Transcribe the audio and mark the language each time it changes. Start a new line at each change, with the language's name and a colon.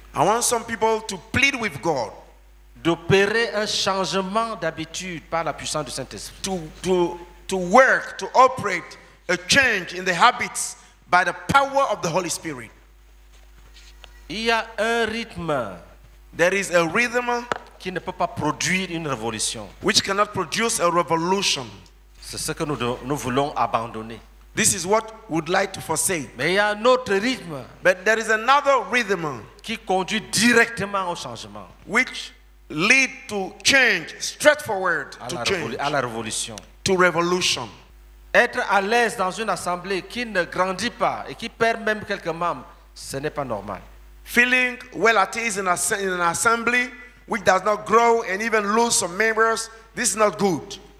English: I want some people to plead with God.
French: D'opérer un changement d'habitude par la puissance du Saint-Esprit.
English: To work, to operate a change in the habits by the power of the Holy Spirit.
French: Il y a un rythme.
English: There is a rhythm
French: qui ne peut pas produire une révolution.
English: Which cannot produce a revolution.
French: C'est ce que nous voulons abandonner.
English: This is what we'd like to forsake.
French: Mais il y a un autre rythme.
English: But there is another rhythm
French: qui conduit directement au changement.
English: Which lead to change, straightforward to change.
French: À la révolution.
English: To revolution.
French: Être à l'aise dans une assemblée qui ne grandit pas et qui perd même quelques membres, ce n'est pas normal.
English: Feeling well at ease in an assembly which does not grow and even lose some members, this is not good.